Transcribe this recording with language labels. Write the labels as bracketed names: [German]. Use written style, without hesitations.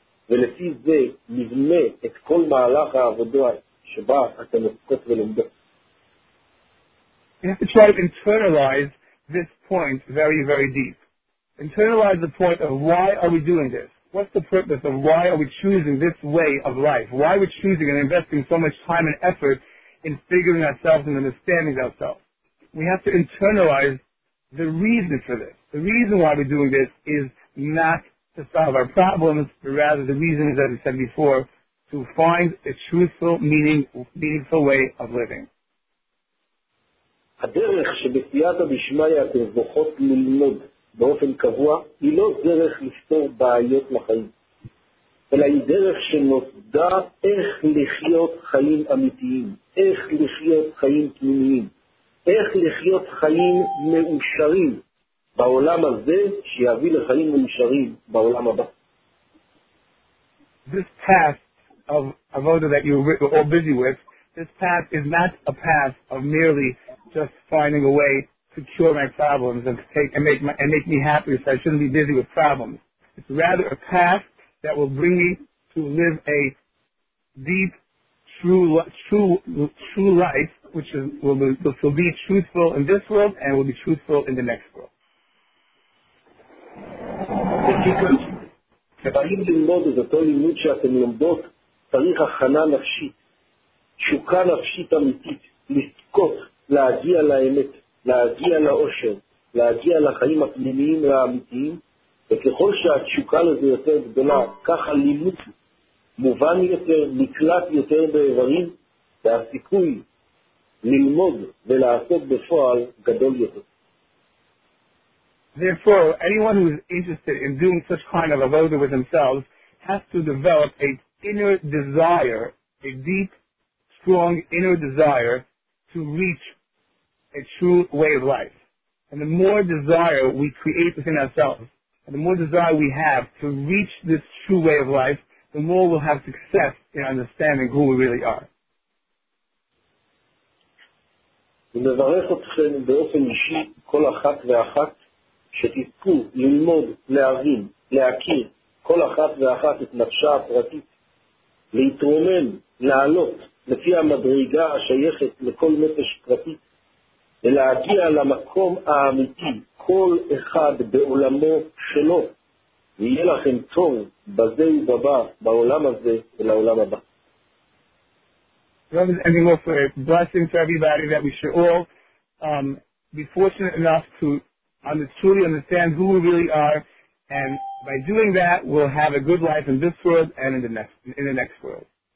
[Hebrew] ולפי זה נבנה את כל מהלך העבודה שבה אתם עוסקות ולומדות. [English] You have to try to internalize this point very, very deep. Internalize the point of why are we doing this? What's the purpose of why are we choosing this way of life? Why are we choosing and investing so much time and effort in figuring ourselves and understanding ourselves? We have to internalize the reason for this. The reason why we're doing this is not to solve our problems, but rather the reason is, as I said before, to find a truthful, meaningful way of living. [Hebrew] הדרך שבסיעת הדשמי אתם זוכות ללמוד באופן קבוע היא לא דרך לפתור בעיות לחיים, אלא היא דרך שנוסדה איך לחיות חיים אמיתיים, איך לחיות חיים תמימיים, איך לחיות חיים מאושרים בעולם הזה שיביא לחיים מאושרים בעולם הבא. [English] This path of avoda that you're all busy with, this path is not a path of merely just finding a way to cure my problems and to take and make me happy so I shouldn't be busy with problems. It's rather a path that will bring me to live a deep, true life, which is, will be truthful in this world and will be truthful in the next world. [Hebrew] כשבאים ללמוד את אותו לימוד שאתם לומדות, צריך הכנה נפשית, תשוקה נפשית אמיתית, לזכות, להגיע לאמת, להגיע לאושר, להגיע לחיים הפנימיים והאמיתיים, וככל שהתשוקה לזה יותר גדולה, כך הלימוד מובן יותר, נקלט יותר באיברים, והסיכוי ללמוד ולעשות בפועל גדול יותר. [English] Therefore, anyone who is interested in doing such kind of avoda with themselves has to develop an inner desire, a deep, strong inner desire to reach a true way of life. And the more desire we create within ourselves, and the more desire we have to reach this true way of life, the more we'll have success in understanding who we really are. [Hebrew] אני מברך אתכם באופן אישי, כל אחת ואחת, שתתפו ללמוד, להבין, להכיר כל אחת ואחת את נפשה הפרטית, להתרומם, לעלות לפי המדרגה השייכת לכל נפש פרטית, ולהגיע למקום האמיתי, כל אחד בעולמו שלו, ויהיה לכם טוב בזה ובבא, בעולם הזה ולעולם הבא. [English] Rather than any more, for a blessing to everybody that we should all be fortunate enough to truly understand who we really are, and by doing that, we'll have a good life in this world and in the next world.